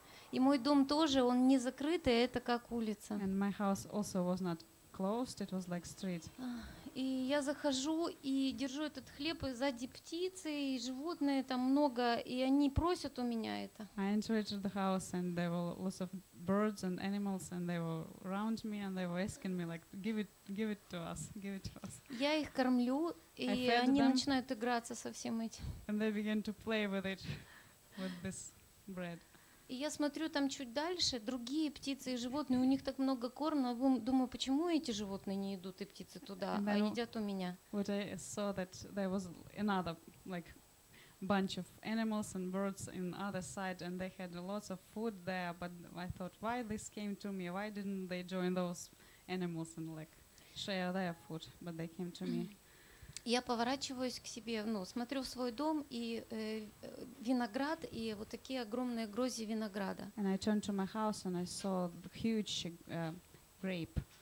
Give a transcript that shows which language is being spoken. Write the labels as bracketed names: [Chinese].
[Russian] И мой дом тоже, он не закрытый, это как улица. [English] And my house also was not closed, it was like street. [Russian] И я захожу и держу этот хлеб, и сзади птицы, и животные там много, и они просят у меня это. [English] I entered the house and there were lots of birds and animals, and they were around me, and they were asking me, like, give it to us, give it to us. [Russian] Я их кормлю, и они начинают играться со всем этим. [English] And they begin to play with it, with this bread. [Russian] И я смотрю там чуть дальше, другие птицы и животные, у них так много корма, думаю, почему эти животные не идут, и птицы туда, а едят у меня. [English] What I saw that there was another, like, bunch of animals and birds in other side, and they had lots of food there, but I thought, why this came to me? Why didn't they join those animals and, like, share their food? But they came to me. [Russian] Я поворачиваюсь к себе, ну, смотрю в свой дом, и виноград, и вот такие огромные грозди винограда. [English] And I turned to my house, and I saw huge grape.